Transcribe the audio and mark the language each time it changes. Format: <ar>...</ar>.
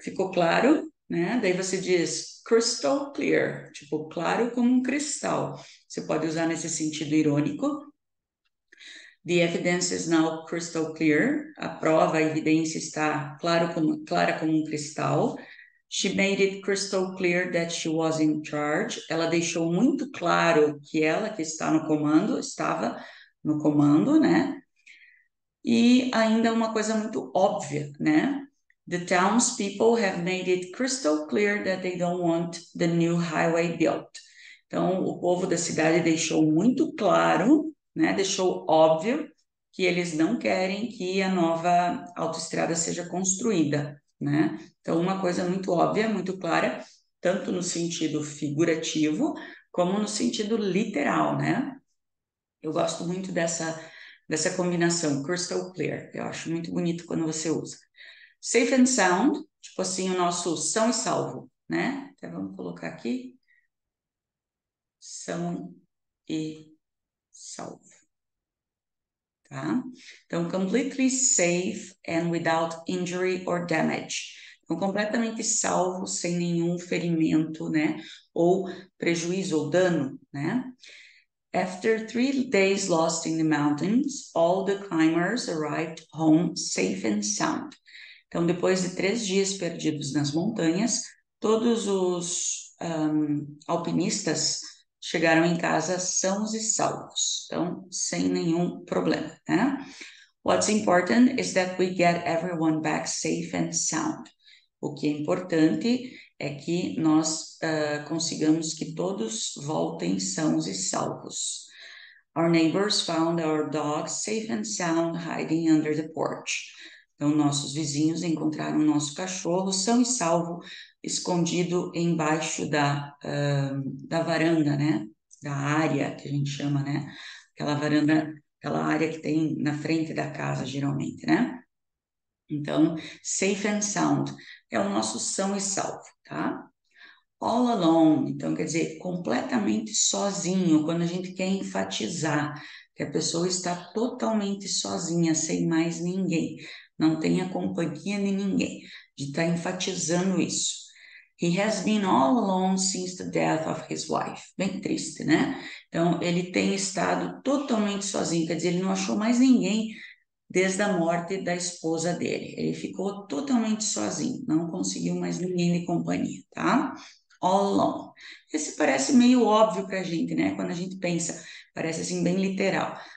<pt>Ficou claro, né? Daí você diz crystal clear, tipo, claro como um cristal. Você pode usar nesse sentido irônico.</pt> <en>The evidence is now crystal clear.</en> <pt>A prova, a evidência está clara como um cristal.</pt> <en>She made it crystal clear that she was in charge.</en> <pt>Ela deixou muito claro que ela que está no comando, estava no comando, né? E ainda uma coisa muito óbvia, né?</pt> <en>The townspeople have made it crystal clear that they don't want the new highway built.</en> <pt>Então, o povo da cidade deixou muito claro, né, deixou óbvio que eles não querem que a nova autoestrada seja construída, né? Então, uma coisa muito óbvia, muito clara, tanto no sentido figurativo como no sentido literal, né? Eu gosto muito dessa combinação, crystal clear. Eu acho muito bonito quando você usa. Safe and sound, tipo assim, o nosso são e salvo, né? Até vamos colocar aqui. São e salvo. Tá? Então,</pt> <en>completely safe and without injury or damage.</en> <pt>Então, completamente salvo, sem nenhum ferimento, né? Ou prejuízo ou dano, né?</pt> <en>After 3 days lost in the mountains, all the climbers arrived home safe and sound.</en> <pt>Então, depois de 3 dias perdidos nas montanhas, todos os alpinistas chegaram em casa sãos e salvos, então sem nenhum problema, né?</pt> <en>What's important is that we get everyone back safe and sound.</en> <pt>O que é importante é que nós consigamos que todos voltem sãos e salvos.</pt> <en>Our neighbors found our dog safe and sound hiding under the porch.</en> <pt>Então, nossos vizinhos encontraram nosso cachorro são e salvo, escondido embaixo da varanda, né? Da área que a gente chama, né? Aquela varanda, aquela área que tem na frente da casa, geralmente, né? Então, safe and sound é o nosso são e salvo, tá? All alone, então quer dizer completamente sozinho, quando a gente quer enfatizar que a pessoa está totalmente sozinha, sem mais ninguém. Não tem a companhia de ninguém, de estar enfatizando isso.</pt> <en>He has been all alone since the death of his wife.</en> <pt>Bem triste, né? Então, ele tem estado totalmente sozinho, quer dizer, ele não achou mais ninguém desde a morte da esposa dele. Ele ficou totalmente sozinho, não conseguiu mais ninguém de companhia, tá? All along. Esse parece meio óbvio para a gente, né? Quando a gente pensa, parece assim bem literal.</pt>